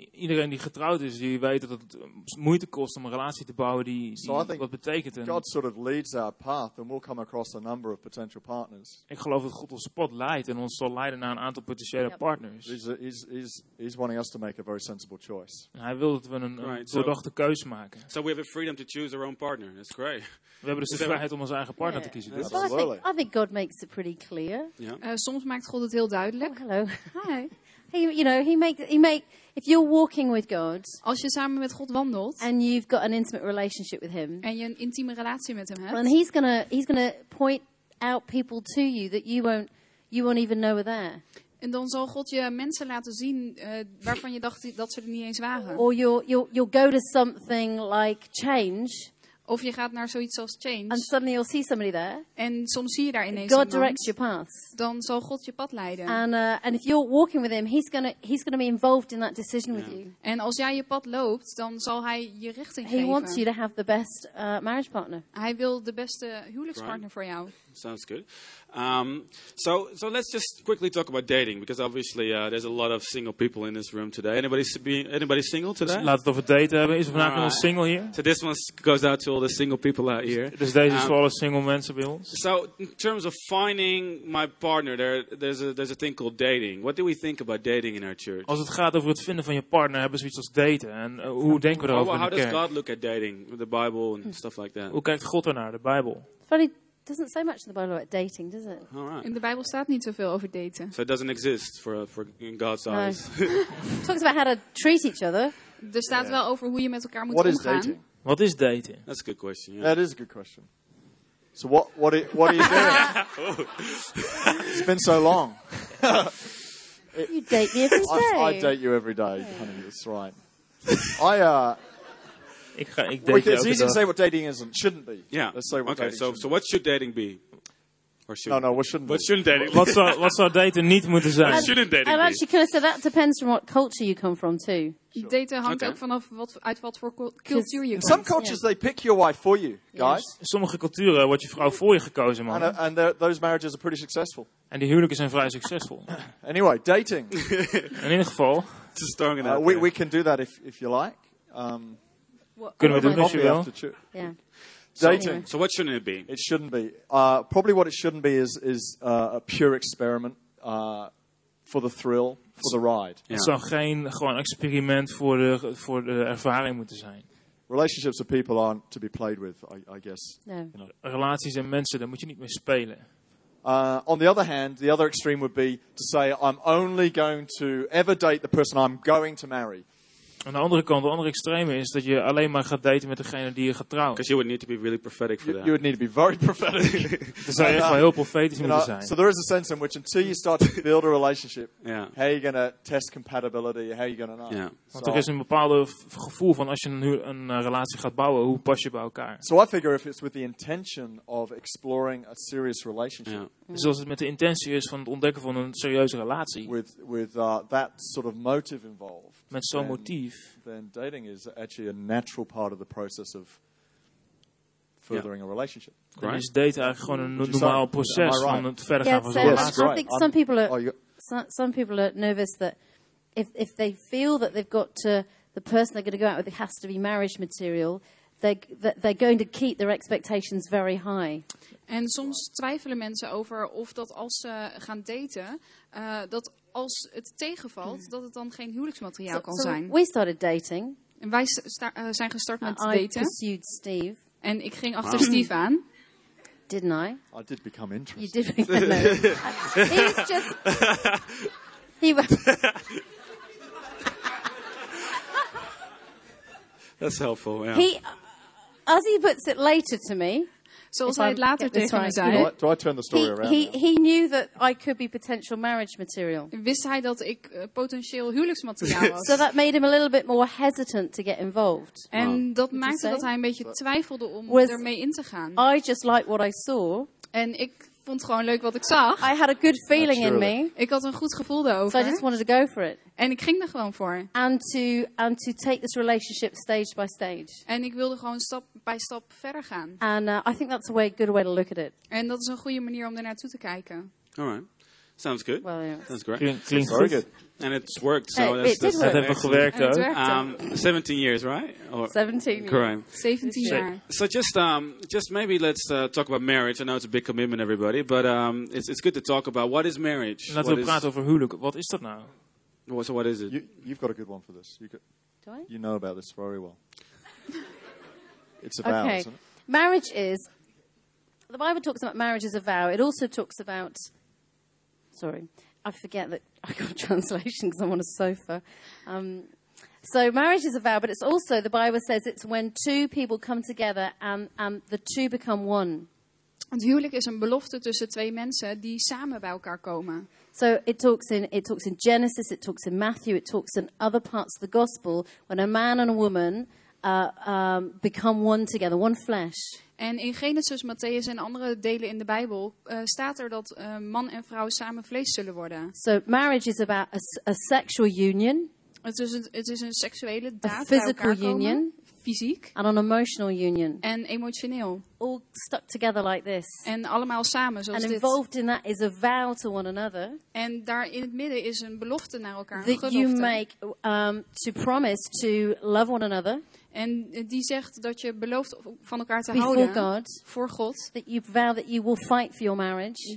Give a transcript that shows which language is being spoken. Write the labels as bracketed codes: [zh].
[nl] Iedereen die getrouwd is, die weet dat het moeite kost om een relatie te bouwen die wat betekent. [en] God sort of leads our path and we'll come across a number of potential partners. [nl] Ik geloof dat God ons pad leidt en ons zal leiden naar een aantal potentiële partners. [en] He's wanting us to make a very sensible choice. [nl] En hij wil dat we een doordachte keuze maken. [en] So we have the freedom to choose our own partner. That's great. [nl] We hebben dus de vrijheid om onze eigen partner te kiezen. [en] Yeah. Absolutely. I think God makes it pretty clear. Yeah. [nl] Soms maakt God het heel duidelijk. [en] Oh, hello. Hi. He makes if you're walking with God. [nl] Als je samen met God wandelt. [en] And you've got an intimate relationship with him. [nl] En je een intieme relatie met hem hebt. [en] And he's gonna point out people to you that you won't you won't even know were there. [nl] En dan zal God je mensen laten zien waarvan je dacht dat ze er niet eens waren. [en] Or you'll go to something like change. [nl] Of je gaat naar zoiets als change. [en] And suddenly you'll see somebody there. [nl] En soms zie je daar ineens [en] God directs your path. [nl] Dan zal God je pad leiden. [en] And if you're walking with him, he's gonna be involved in that decision with you. [nl] En als jij je pad loopt, dan zal hij je richting [en] he [nl] geven. [en] He wants you to have the best marriage partner. [nl] Hij wil de beste huwelijkspartner voor jou. [en] Sounds good. So let's just quickly talk about dating, because obviously there's a lot of single people in this room today. Anybody single today? [nl] Laten we over daten hebben. Is er vandaag nog een single hier? [en] So this one goes out to all the single people out here. [nl] Dus deze is voor alle single mensen bij ons. [en] So in terms of finding my partner, there's a thing called dating. What do we think about dating in our church? [nl] Als het gaat over het vinden van je partner, hebben ze iets als daten. En hoe denken we erover in de kerk? [en] How does God look at dating, the Bible and stuff like that? [nl] Hoe kijkt God ernaar, de Bijbel? [en] Doesn't say much in the Bible about dating, does it? Right. [nl] In de Bijbel staat niet zoveel over daten. [en] So it doesn't exist for in God's no. eyes. It talks about how to treat each other. [nl] Er staat wel over hoe je met elkaar moet [en] what [nl] omgaan. [en] What is dating? What is dating? That's a good question. Yeah. That is a good question. So what are you doing? It's been so long. You date me every day. I date you every day, honey. That's right. It's easy to say what dating isn't, shouldn't be. Yeah. Let's say what okay, dating so what should dating be? Or should no, what shouldn't what be? Shouldn't dating be? What should dating [nl] niet moeten zijn? [en] What shouldn't dating and be? And actually, can I say that depends from what culture you come from, too. Sure. [nl] Daten hangt ook vanaf uit wat voor cultuur je komt. [en] In some cultures, they pick your wife for you, guys. [nl] In sommige culturen wordt je vrouw voor je gekozen, man. [en] And those marriages are pretty successful. [nl] En die huwelijken zijn vrij succesvol. [en] Anyway, dating. [nl] In ieder geval. [en] Just throwing it out we can do that if you like. [nl] Kunnen we doen als je wil? [en] Dating. So what shouldn't it be? It shouldn't be. Probably what it shouldn't be is a pure experiment for the thrill, for the ride. [nl] Het zou geen gewoon experiment voor de ervaring moeten zijn. [en] Relationships with people aren't to be played with, I guess. No. [nl] Relaties en mensen, daar moet je niet mee spelen. [en] On the other hand, the other extreme would be to say I'm only going to ever date the person I'm going to marry. [nl] Aan de andere kant, de andere extreme is dat je alleen maar gaat daten met degene die je gaat trouwen. [en] Because you would need to be really prophetic for that. You would need to be very prophetic. [nl] Dat zou echt wel heel profetisch moeten zijn. [en] So there is a sense in which until you start to build a relationship, yeah. How are you going to test compatibility, how are you going to know? Yeah. [nl] Want er is een bepaald gevoel van als je een relatie gaat bouwen, hoe pas je bij elkaar? [en] So I figure if it's with the intention of exploring a serious relationship. Yeah. [nl] Dus als het met de intentie is van het ontdekken van een serieuze relatie. [en] With that sort of motive involved. [nl] Met zo'n motief. [en] Then dating is actually a natural part of the process of furthering a relationship. [nl] Dan is daten eigenlijk gewoon een normaal proces van het verder gaan van zo'n relatie. [en] Yes, I think some people are nervous that if they feel that they've got to the person they're going to go out with, it has to be marriage material. They're going to keep their expectations very high. [nl] En soms twijfelen mensen over of dat als ze gaan daten, dat als het tegenvalt, dat het dan geen huwelijksmateriaal kan zijn. [en] We started dating. [nl] En wij zijn gestart met daten. [en] I pursued Steve. [nl] En ik ging achter Steve aan. [en] Didn't I? I did become interested. You did become interested. No. That's helpful, yeah. He, as he puts it later to me, [nl] zoals hij het later tegen me zei. [en] Do I turn the story around? He knew that I could be potential marriage material. [nl] Wist hij dat ik potentieel huwelijksmateriaal was? [en] So that made him a little bit more hesitant to get involved. [nl] En dat maakte dat hij een beetje twijfelde om ermee in te gaan. [en] I just liked what I saw. [nl] En ik vond gewoon leuk wat ik zag. [en] I had a good feeling in me. [nl] Ik had een goed gevoel daarover. [en] So I just wanted to go for it. [nl] En ik ging er gewoon voor. [en] And to take this relationship stage by stage. [nl] En ik wilde gewoon stap bij stap verder gaan. [en] And I think that's a good way to look at it. [nl] En dat is een goede manier om er naartoe te kijken. [en] All right. Sounds good. Well, yeah. Sounds great. [nl] Klinkt [en] very good. And it's worked. So [nl] dat hebben we gewerkt ook. [en] 17 years, right? Or 17 years. Correct. 17 years. So just maybe let's talk about marriage. I know it's a big commitment, everybody, but it's good to talk about what is marriage. [nl] Laten we praten over huwelijk. Wat is dat nou? [en] Well, so what is it? You've got a good one for this. Do I? You know about this very well. It's a vow, okay. Isn't it? Marriage is. The Bible talks about marriage as a vow. It also talks about. Sorry. I forget that I got a translation because I'm on a sofa. So marriage is a vow, but it's also, the Bible says, it's when two people come together and the two become one. [nl] Het huwelijk is een belofte tussen twee mensen die samen bij elkaar komen. [en] So it talks in Genesis, it talks in Matthew, it talks in other parts of the gospel when a man and a woman become one together, one flesh. [nl] En in Genesis, Matthäus en andere delen in de Bijbel staat er dat man en vrouw samen vlees zullen worden. [en] So marriage is about a sexual union. [nl] Het is een seksuele daad. [en] A physical union. [nl] Fysiek. [en] And an emotional union. [nl] En emotioneel. [en] All stuck together like this. [nl] En allemaal samen zoals [en] and [nl] dit. [en] And involved in that is a vow to one another. [nl] En daar in het midden is een belofte naar elkaar. [en] That you make to promise to love one another. [nl] En die zegt dat je belooft van elkaar te [en] before [nl] houden [en] God, [nl] voor God. [en] That you vow that you will fight for your marriage.